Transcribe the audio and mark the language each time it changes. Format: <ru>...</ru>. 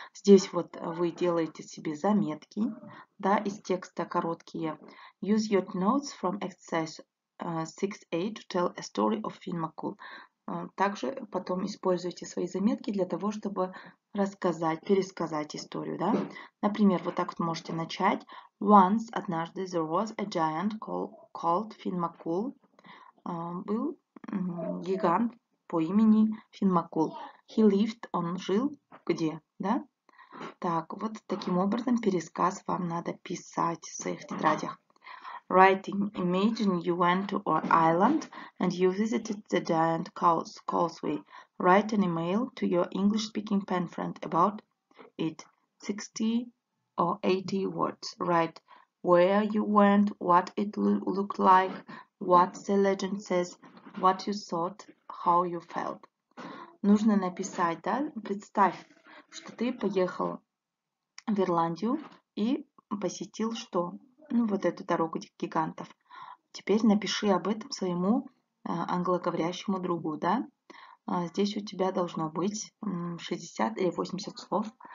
<ru>Здесь вот вы делаете себе заметки, да, из текста короткие.</ru> <en>Use your notes from exercise 6A to tell a story of Finn McCool.</en> <ru>Также потом используйте свои заметки для того, чтобы рассказать, пересказать историю, да. Например, вот так вот можете начать.</ru> <en>Once, однажды, there was a giant called Finn McCool.</en> <ru>Был гигант по имени Финн Маккул.</ru> <en>He lived,</en> <ru>он жил где, да? Так, вот таким образом пересказ вам надо писать в своих тетрадях.</ru> <en>Writing. Imagine you went to our island and you visited the giant causeway. Write an email to your English-speaking pen friend about it. 60 or 80 words. Write where you went, what it looked like, what the legend says, what you thought. How you felt.</en> <ru>Нужно написать, да? Представь, что ты поехал в Ирландию и посетил что? Ну, вот эту дорогу гигантов. Теперь напиши об этом своему англоговорящему другу, да? Здесь у тебя должно быть 60 или 80 слов.</ru>